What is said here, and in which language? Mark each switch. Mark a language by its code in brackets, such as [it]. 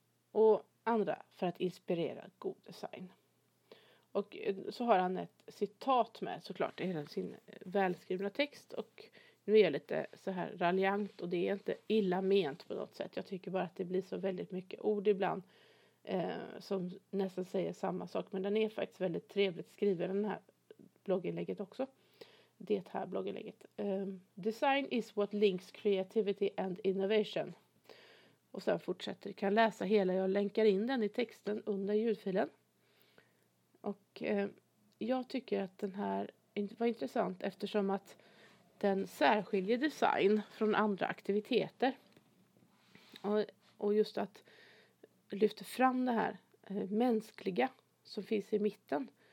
[sv] Och andra för att inspirera god design. Och så har han ett citat med såklart i hela sin välskrivna text. Och nu är jag lite så här raljant och det är inte illa ment på något sätt. Jag tycker bara att det blir så väldigt mycket ord ibland som nästan säger samma sak. Men den är faktiskt väldigt trevligt skriven, den här blogginlägget också. Det här blogginlägget. [en] Design is what links creativity and innovation. [sv] Och sen fortsätter. Du kan läsa hela. Jag länkar in den i texten under ljudfilen. Och jag tycker att den här var intressant eftersom att den särskiljer design från andra aktiviteter. Och just att lyfta fram det här mänskliga som finns i mitten.